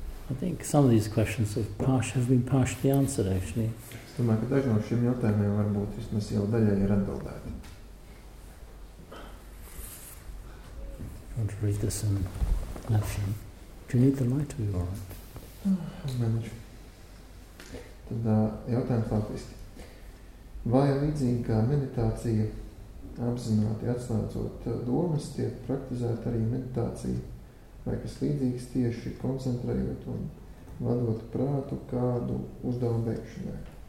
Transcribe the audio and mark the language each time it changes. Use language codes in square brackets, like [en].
[en] I think some of these questions have been partially answered, actually. [lv] Es domāju, ka daži no šiem jautājumiem varbūt vismaz jau daļai ir atbildēti. [en] I want to read this in action. Do you need the light or you want? [lv] Tad jautājums faktiski. Vai līdzīgi kā meditācija apzināti atslēdzot domas tiek praktizēta arī meditācija? Vai kas līdzīgs tieši koncentrējot un vadot prātu kādu uzdevumu beigšanai?